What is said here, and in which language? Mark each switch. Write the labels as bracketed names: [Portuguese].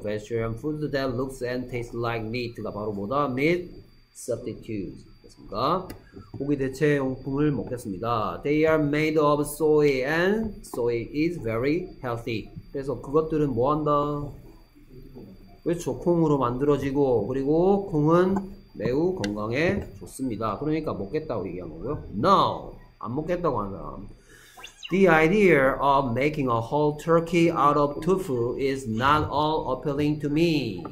[English] vegetarian food that looks and tastes like meat가 [Korean] 바로 뭐다? [English] meat substitutes [Korean] 됐습니까? 고기 대체용품을 먹겠습니다. [English] They are made of soy and soy is very healthy. [Korean] 그래서 그것들은 뭐 한다? 그렇죠. 콩으로 만들어지고 그리고 콩은 매우 건강에 좋습니다. 그러니까 먹겠다고 얘기한 거고요. No! 안 먹겠다고 한 사람. [English] The idea of making a whole turkey out of tofu is not all appealing to me.